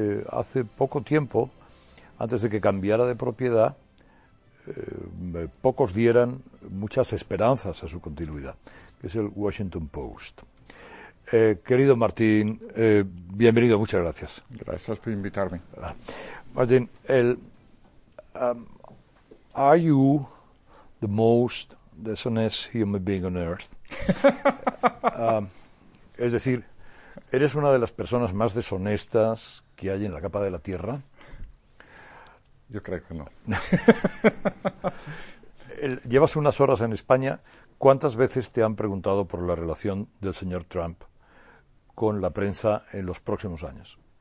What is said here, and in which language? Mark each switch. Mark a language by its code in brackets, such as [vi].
[es] hace poco tiempo, antes de que cambiara de propiedad, pocos dieran muchas esperanzas a su continuidad, que es el Washington Post. Querido Martín, bienvenido, muchas gracias. Gracias por invitarme. [en] Martín, are you the most dishonest human being on earth? [es] Es decir, ¿eres una de las personas más deshonestas que hay en la capa de la Tierra? Yo creo que no. Llevas unas horas en España. ¿Cuántas veces te han preguntado por la relación del señor Trump con la prensa en los próximos años?